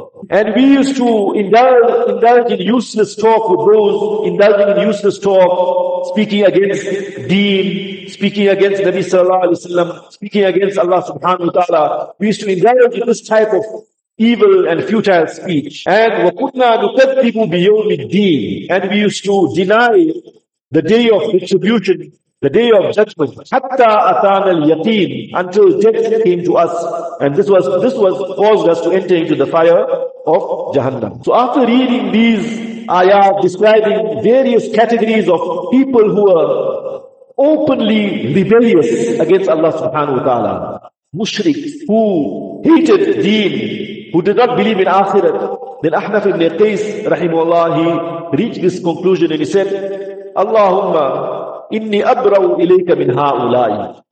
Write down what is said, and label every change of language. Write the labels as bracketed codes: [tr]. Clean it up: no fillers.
[en] And we used to indulge in useless talk with those, indulging in useless talk, speaking against deen, speaking against Nabi sallallahu alayhi wa sallam, speaking against Allah subhanahu wa ta'ala. We used to indulge in this type of evil and futile speech. And [ar] وَكُنَّا نُكَذِّبُ بِيَوْمِ الدِّينِ. [en] And we used to deny the day of retribution, the day of judgment. [ar] حَتَّى أَثَانَ الْيَقِينِ. [en] Until death came to us. And this was caused us to enter into the fire of Jahannam. So after reading these ayah describing various categories of people who are openly rebellious against Allah subhanahu wa ta'ala, mushrik, who hated deen, who did not believe in akhirat, then Ahnaf ibn Qais rahimahullah, he reached this conclusion and he said, [ar] Allahumma inni abrau ilayka min ha'ulai.